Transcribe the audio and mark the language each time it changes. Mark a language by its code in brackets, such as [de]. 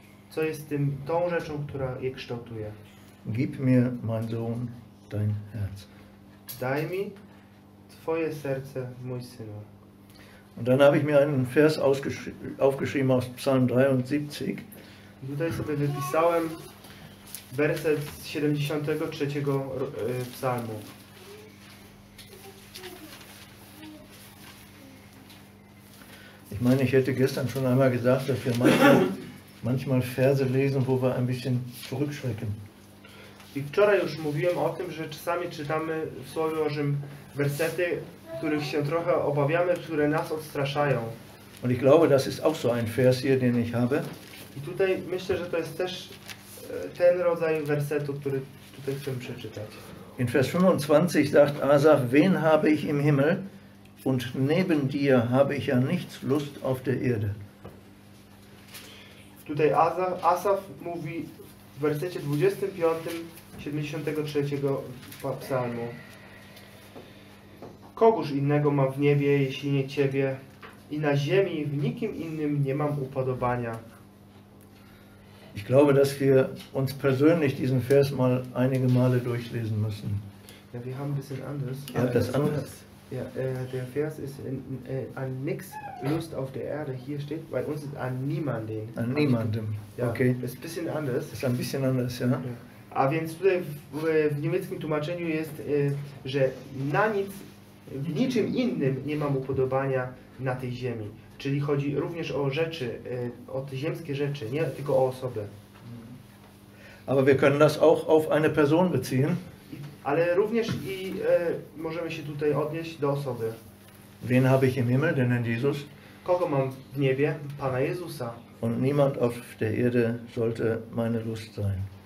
[pl] Co jest tą rzeczą, która je kształtuje? [de] Gib mir, mein Sohn, dein Herz. [pl] Daj mi twoje serce, mój synu. [de] Und dann habe ich mir einen Vers aufgeschrieben aus Psalm 73. [pl] I tutaj sobie wypisałem werset z 73 psalmu. [de] Ich meine, ich hätte gestern schon einmal gesagt, dass wir manchmal Verse lesen, wo wir ein bisschen zurückschrecken. [pl] I wczoraj już mówiłem o tym, że czasami czytamy w Słowie Bożym wersety, których się trochę obawiamy, które nas odstraszają. [de] Und ich glaube, das ist auch so ein Vers hier, den ich habe. [pl] I tutaj myślę, że to jest też ten rodzaj wersetu, który tutaj chcę przeczytać. [de] In Vers 25 sagt Asaf, wen habe ich im Himmel und neben dir habe ich ja nichts Lust auf der Erde. [pl] Tutaj Asaf mówi w wersecie 25, 73 psalmu. Kogóż innego mam w niebie, jeśli nie ciebie, i na ziemi w nikim innym nie mam upodobania. [de] Ich glaube, dass wir uns persönlich diesen Vers mal einige Male durchlesen müssen. Ja, wir haben ein bisschen anders. Ja, das anders. Ja, der Vers ist an nichts Lust auf der Erde. Hier steht, bei uns ist an niemanden. An niemandem. Ja, okay. Ist ein bisschen anders. Ist ein bisschen anders, ja. [pl] A więc tutaj w niemieckim tłumaczeniu jest, że na nic. W niczym innym nie mam upodobania na tej ziemi. Czyli chodzi również o rzeczy, o te ziemskie rzeczy, nie tylko o osobę. [de] Aber wir können das auch auf eine Person beziehen. [pl] Ale również i możemy się tutaj odnieść do osoby. [de] Wen habe ich im Himmel, den Herrn Jesus? [pl] Kogo mam w niebie, Pana Jezusa. [de] Und niemand auf der Erde sollte meine Lust sein.